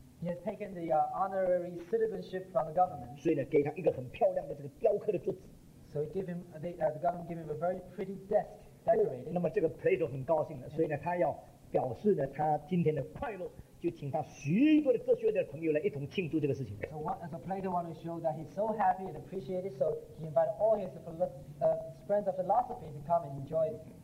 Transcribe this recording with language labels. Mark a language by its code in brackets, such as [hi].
[en] he has taken the honorary citizenship from the government. [zh] 所以呢给他一个很漂亮的这个雕刻的桌子, [en] so he gave him, the government gave him a very pretty desk. [zh] 那么这个 Plato 很高兴的，所以呢，他要表示呢，他今天的快乐，就请他许多的哲学的朋友来一同庆祝这个事情。So [en] what Plato wanted to show that he's so happy and appreciated, so he invited all his friends of philosophy to come and enjoy it.